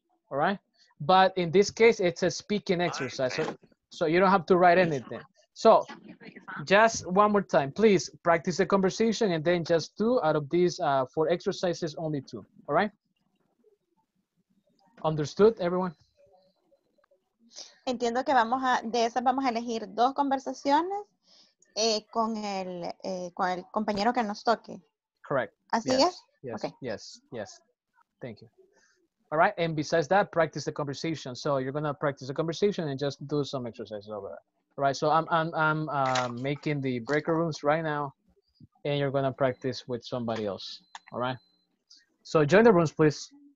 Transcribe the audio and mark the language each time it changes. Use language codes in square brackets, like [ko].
[en] All right. But in this case, it's a speaking exercise, so you don't have to write anything. So, just one more time, please practice the conversation and then just two out of these four exercises, only two, all right? Understood, everyone? [es] Entiendo que vamos a, de esas vamos a elegir dos conversaciones con el compañero que nos toque. [en] Correct. [es] Así [en] yes. [es] es? [en] Yes. Okay. Yes, yes. Thank you. All right, and besides that, practice the conversation. So you're gonna practice the conversation and just do some exercises over there. All right, so I'm making the breaker rooms right now, and you're gonna practice with somebody else, all right? So join the rooms, please.